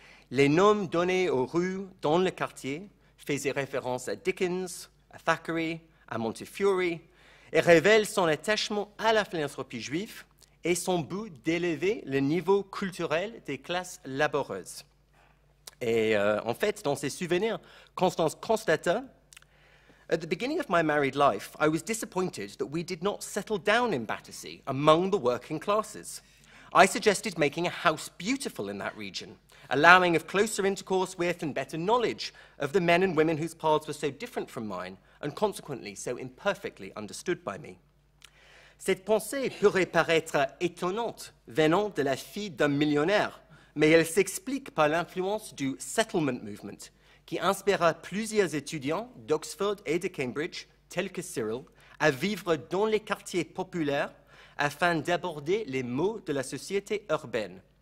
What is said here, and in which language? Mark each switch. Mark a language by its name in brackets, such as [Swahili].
[French] Les noms donnés aux rues dans le quartier faisaient référence à Dickens, à Thackeray, à Montefiore et révèlent son attachement à la philanthropie juive et son but d'élever le niveau culturel des classes laboreuses. Et en fait, dans ses souvenirs, Constance constata, [English] At the beginning of my married life, I was disappointed that we did not settle down in Battersea among the working classes. I suggested making a house beautiful in that region, allowing of closer intercourse with and better knowledge of the men and women whose paths were so different from mine and consequently so imperfectly understood by me. [French] Cette pensée pourrait paraître étonnante venant de la fille d'un millionnaire, mais elle s'explique par l'influence du Settlement Movement, qui inspira plusieurs étudiants d'Oxford et de Cambridge, tels que Cyril, à vivre dans les quartiers populaires afin d'aborder les maux de la société urbaine.